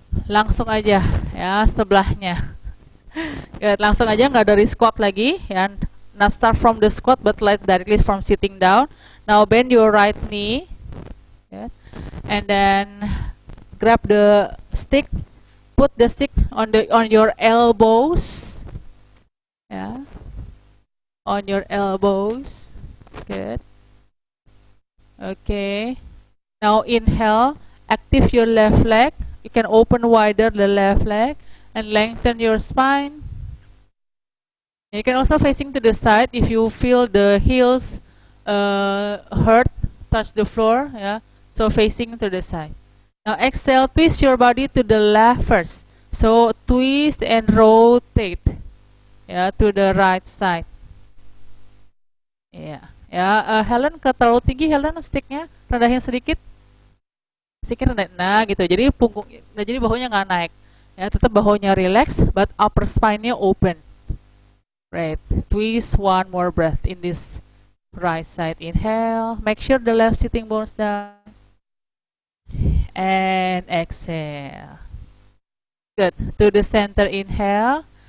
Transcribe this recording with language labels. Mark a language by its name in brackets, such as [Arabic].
[Indonesian] Langsung aja ya sebelahnya. Good. Langsung aja, nggak dari squat lagi. [English] And not start from the squat, but like directly from sitting down. Now bend your right knee. Good. And then grab the stick. Put the stick on your elbows. Yeah, on your elbows. Good. Okay. Now inhale. Active your left leg. You can open wider the left leg and lengthen your spine. You can also facing to the side if you feel the heels hurt, touch the floor. Yeah. So facing to the side. Now exhale. Twist your body to the left first. So twist and rotate. Yeah, to the right side. [Indonesian] Yeah, yeah. Helen, terlalu tinggi Helen, sticknya rendahin sedikit. Sedikit rendah. Nah, gitu. Jadi punggung, nah, jadi bahunya nggak naik. Ya, tetap bahunya relax, [English] but upper spine-nya open. Right. Twist one more breath in this right side. Inhale. Make sure the left sitting bones down. And exhale. Good. To the center. Inhale.